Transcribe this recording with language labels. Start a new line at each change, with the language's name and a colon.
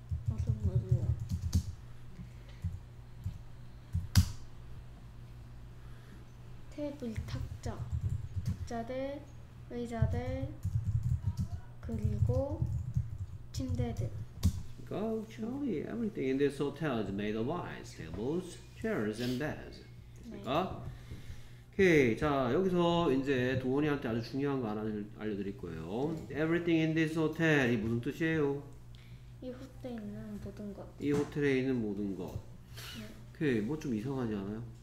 Korean: 어떤 모습이야? 테이블 탁자, 탁자들, 의자들, 그리고 침대들.
English: Go, Charlie. Everything in this hotel is made of ice. Tables, chairs, and beds.
Korean: 됐습니까?
English: 오케이.
Korean: 자, 여기서 이제 도원이한테 아주 중요한 거 하나 알려드릴 거예요.
English: Everything in this hotel.
Korean: 이 무슨 뜻이에요? 이 호텔에 있는 모든 것. 이 호텔에 있는 모든 것. 오케이. 뭐좀 이상하지 않아요?